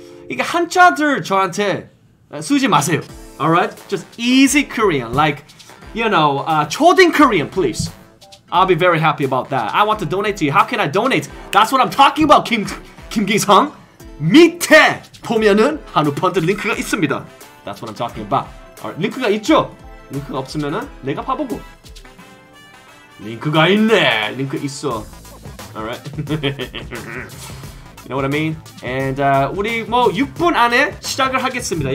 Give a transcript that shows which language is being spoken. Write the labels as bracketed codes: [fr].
[ko] 이게 한자들 저한테 쓰지 마세요. [en] Alright, just easy Korean, like, you know, 초딩 Korean, please. I'll be very happy about that. I want to donate to you. How can I donate? That's what I'm talking about, Kim Gi-sung. [ko] 밑에 보면은 한우 펀드 링크가 있습니다. [en] That's what I'm talking about. Alright, [ko] 링크가 있죠? 링크가 없으면은 내가 바보고. 링크가 있네. 링크 있어. [en] Alright. You know what I mean? [ko] And 우리 뭐 6분 안에 시작을 하겠습니다.